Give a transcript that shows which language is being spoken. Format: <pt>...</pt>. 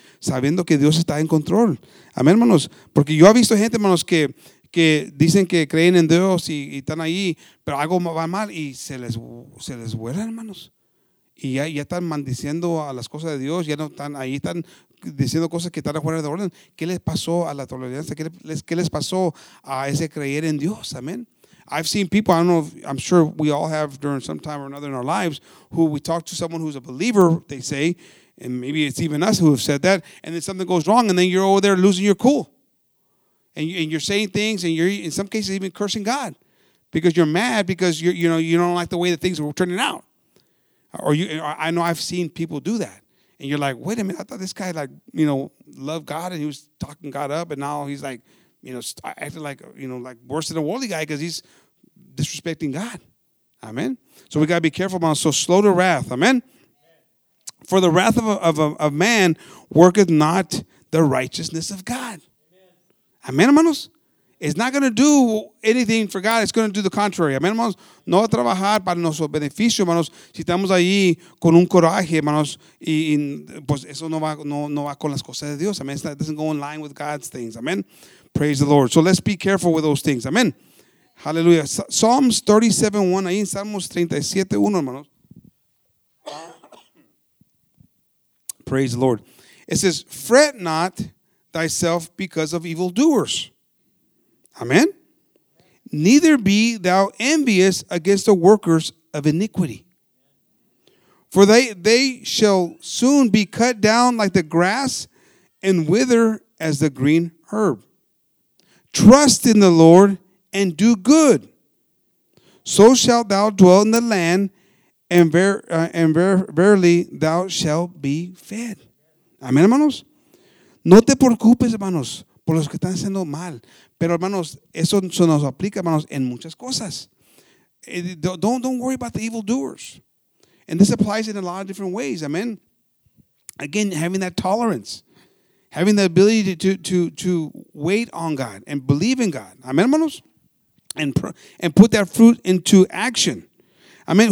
<es>Sabiendo que Dios está en control. Amén, hermanos. Porque yo he visto gente, hermanos, que dicen que creen en Dios y están ahí, pero algo va mal y se les vuela, hermanos. Y ya están maldiciendo a las cosas de Dios, ya no están ahí, están diciendo cosas que están fuera de orden. ¿Qué les pasó a la tolerancia? ¿Qué les pasó a ese creer en Dios?</es> <en>Amen. I've seen people, I don't know, I'm sure we all have during some time or another in our lives, who we talk to someone who's a believer, they say, and maybe it's even us who have said that, and then something goes wrong, and then you're over there losing your cool. And you're saying things, and you're in some cases even cursing God, because you're mad, because you don't like the way that things are turning out. I know I've seen people do that, and you're like, wait a minute, I thought this guy, like, you know, loved God, and he was talking God up, and now he's like, you know, acting like, you know, like worse than a worldly guy because he's disrespecting God. Amen. So we gotta be careful about it. So slow to wrath. Amen. For the wrath of man worketh not the righteousness of God. Amen, hermanos. It's not going to do anything for God. It's going to do the contrary. Amen, hermanos.</en> <es>No va a trabajar para nuestro beneficio, hermanos. Si estamos ahí con un coraje, hermanos, y pues eso no va con las cosas de Dios.</es> <en>Amen. It doesn't go in line with God's things. Amen. Praise the Lord. So let's be careful with those things. Amen. Hallelujah. Psalms 37:1.</en> <es>Ahí en Salmos 37:1, hermanos.</es> <en>Praise the Lord. It says, fret not thyself because of evildoers. Amen. Neither be thou envious against the workers of iniquity. For they shall soon be cut down like the grass and wither as the green herb. Trust in the Lord and do good. So shalt thou dwell in the land, and verily thou shalt be fed. Amen, hermanos.</en> <es>No te preocupes, hermanos, por los que están haciendo mal. Pero, hermanos, eso se nos aplica, hermanos, en muchas cosas.</es> <en>Don't worry about the evildoers. And this applies in a lot of different ways, amen? Again, having that tolerance. Having the ability to wait on God and believe in God. Amen, hermanos? And put that fruit into action. Amen?</en>